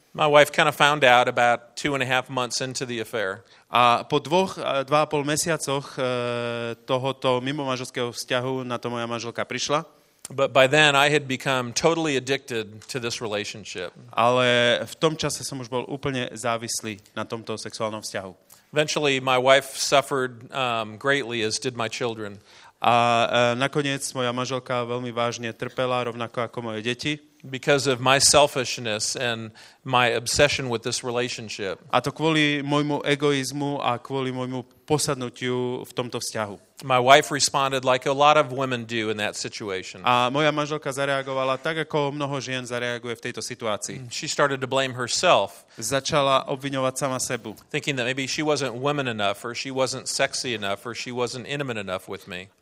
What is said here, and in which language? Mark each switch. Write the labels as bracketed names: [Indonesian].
[English] My wife kind of found out about 2.5 months into the affair. [Slovak] A po 2.5 mesiacoch tohoto mimomanželského vzťahu na to moja manželka prišla. [English] But by then I had become totally addicted to this relationship. [Slovak] Ale v tom čase som už bol úplne závislý na tomto sexuálnom vzťahu. [English] Eventually my wife suffered greatly as did my children. [Slovak] A nakoniec moja manželka veľmi vážne trpela, rovnako ako moje deti. [English] Because of my selfishness and my obsession with this relationship. [Slovak] A to kvôli môjmu egoizmu a kvôli môjmu posadnutiu v tomto vzťahu. [English] My wife responded like a lot of women do in that situation. [Slovak] A moja manželka zareagovala tak, ako mnoho žien zareaguje v tejto situácii. [English] She started to blame herself. [Slovak] Začala obviňovať sama sebu. [English] Thinking that maybe she wasn't woman enough or she wasn't sexy enough or she wasn't intimate enough with me.